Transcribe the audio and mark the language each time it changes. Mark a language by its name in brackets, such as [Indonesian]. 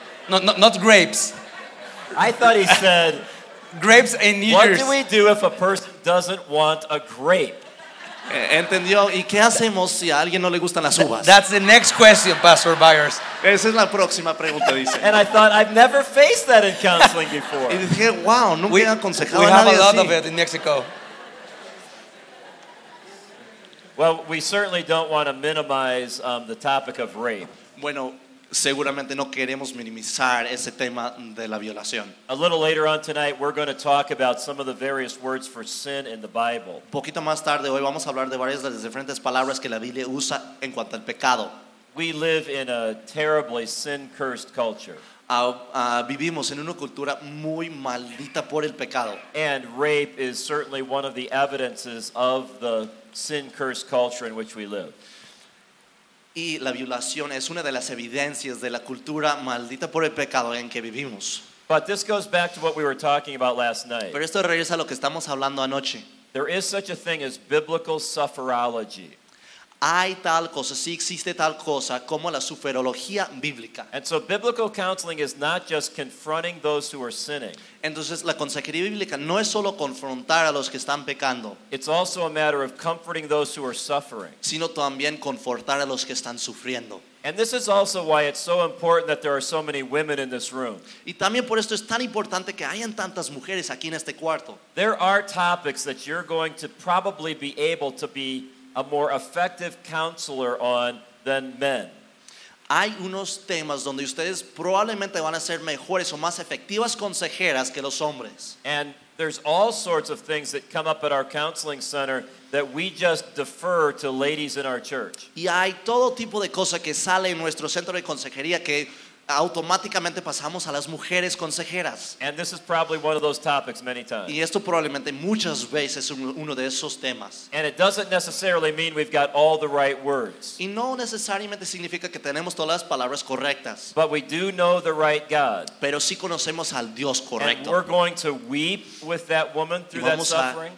[English] No, no, not grapes. I thought he said grapes in New Year's. What do we do if a person doesn't want a grape? [Spanish] ¿Entendió? ¿Y qué hacemos si a alguien no le gustan las uvas? [English] That's the next question, Pastor Byers. [Spanish] Esa es la próxima pregunta, dice. [English] And I thought, I've never faced that in counseling before. [Spanish] Y dije, wow, nunca he aconsejado a nadie así. [English] We have a lot of it in Mexico. Well, we certainly don't want to minimize the topic of rape. [Spanish] Bueno, seguramente no queremos minimizar ese tema de la violación. [English] A little later on tonight, we're going to talk about some of the various words for sin in the Bible. [Spanish] Poquito más tarde hoy vamos a hablar de varias de las diferentes palabras que la Biblia usa en cuanto al pecado. [English] We live in a terribly sin-cursed culture. [Spanish] Vivimos en una cultura muy maldita por el pecado. [English] And rape is certainly one of the evidences of the sin-cursed culture in which we live. [Spanish] Y la violación es una de las evidencias de la cultura maldita por el pecado en que vivimos. [English] But this goes back to what we were talking about last night. [Spanish] Pero esto regresa a lo que estamos hablando anoche. [English] There is such a thing as biblical sophrology. [Spanish] hay tal cosa, si existe tal cosa, como la soteriología bíblica. [English] And so biblical counseling is not just confronting those who are sinning. [Spanish] Entonces la consejería bíblica no es solo confrontar a los que están pecando. [English] It's also a matter of comforting those who are suffering. [Spanish] Sino también confortar a los que están sufriendo. [English] And this is also why it's so important that there are so many women in this room. [Spanish] Y también por esto es tan importante que hayan tantas mujeres aquí en este cuarto. [English] There are topics that you're going to probably be able to be a more effective counselor on than men. [Spanish] Hay unos temas donde ustedes probablemente van a ser mejores o más efectivas consejeras que los hombres. [English] And there's all sorts of things that come up at our counseling center that we just defer to ladies in our church. [Spanish] Y hay todo tipo de cosas que sale en nuestro centro de consejería que automáticamente pasamos a las mujeres consejeras. [English] And this is probably one of those topics many times. [Spanish] Y esto probablemente muchas veces es uno de esos temas. [English] And it doesn't necessarily mean we've got all the right words. [Spanish] Y no necesariamente significa que tenemos todas las palabras correctas. [English] But we do know the right God. [Spanish] Pero sí conocemos al Dios correcto. [English] And we're going to weep with that woman through that suffering.